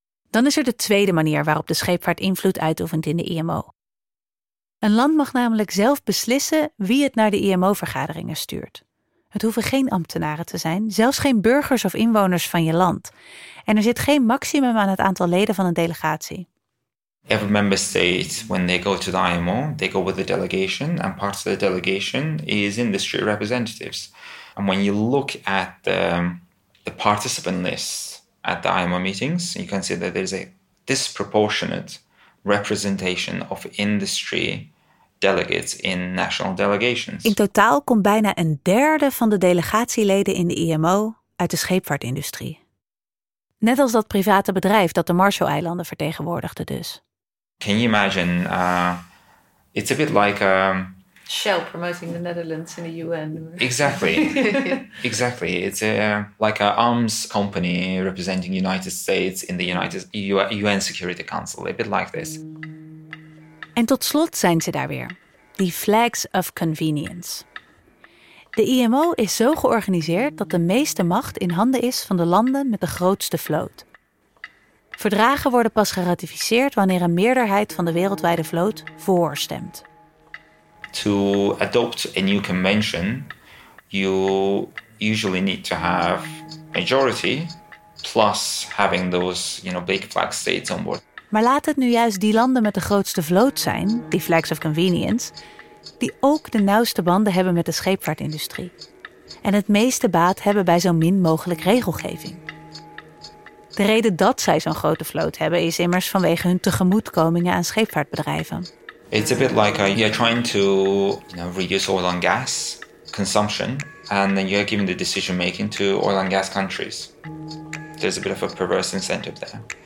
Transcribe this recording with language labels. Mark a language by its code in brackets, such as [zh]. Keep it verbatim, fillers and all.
[nl] Dan is er de tweede manier waarop de scheepvaart invloed uitoefent in de I M O. Een land mag namelijk zelf beslissen wie het naar de I M O-vergaderingen stuurt. Het hoeven geen ambtenaren te zijn, zelfs geen burgers of inwoners van je land. En er zit geen maximum aan het aantal leden van een delegatie. [en] Every member state, when they go to the I M O, they go with a delegation, and part of the delegation is industry representatives. And when you look at the, the participant list at the I M O meetings, you can see that there's a disproportionate representation of industry delegates in national delegations. [nl] In totaal komt bijna een derde van de delegatieleden in de I M O uit de scheepvaartindustrie. Net als dat private bedrijf dat de Marshall-eilanden vertegenwoordigde dus. [en] Can you imagine? Uh, it's a bit like a Shell promoting the Netherlands in the U N. Exactly, exactly. It's a, like an arms company representing United States in the United U N Security Council. A bit like this. [nl] En tot slot zijn ze daar weer, die [en] flags of convenience. [nl] De I M O is zo georganiseerd dat de meeste macht in handen is van de landen met de grootste vloot. Verdragen worden pas geratificeerd wanneer een meerderheid van de wereldwijde vloot voor stemt. [en] To adopt a new convention, you usually need to have majority plus having those, you know, big flag states on board. [nl] Maar laat het nu juist die landen met de grootste vloot zijn, die [en] flags of convenience, [nl] die ook de nauwste banden hebben met de scheepvaartindustrie. En het meeste baat hebben bij zo min mogelijk regelgeving. De reden dat zij zo'n grote vloot hebben is immers vanwege hun tegemoetkomingen aan scheepvaartbedrijven. [en] It's a bit like uh, you're trying to you know, reduce oil and gas consumption and then you're giving the decision making to oil and gas countries. There's a bit of a perverse incentive there.